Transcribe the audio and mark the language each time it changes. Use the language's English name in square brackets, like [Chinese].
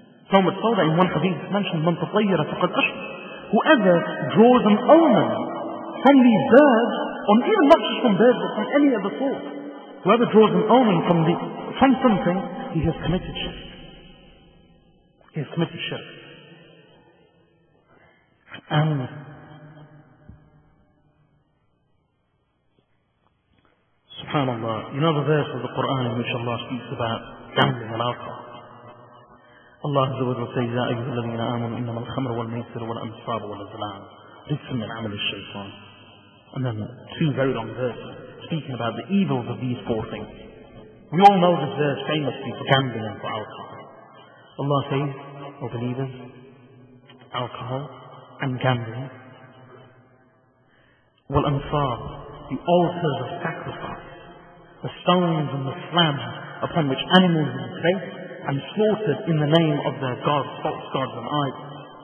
[English] So much so that in one hadith mentioned, [Arabic] man tatayyara faqad ashra. [English] Whoever draws an omen from these birds, or even not just from birds, but from any other source, whoever draws an omen from something, he has committed shirk. He has committed shirk. And subhanAllah, you know the verse of the Quran in which Allah speaks about gambling and alcohol. [Arabic] الله عز وجل سيدا أيها الذين آمنوا إنما الخمر والميسر والأنصاب والأزلام رجس من عمل الشيطان. [English] And then two very long verses speaking about the evils of these four things. We all know this verse famously for gambling and for alcohol. Allah says, O believers, alcohol and gambling. والأنصاب, the altars of sacrifice, the stones and the slabs upon which animals are placed and slaughtered in the name of their gods, false gods and idols.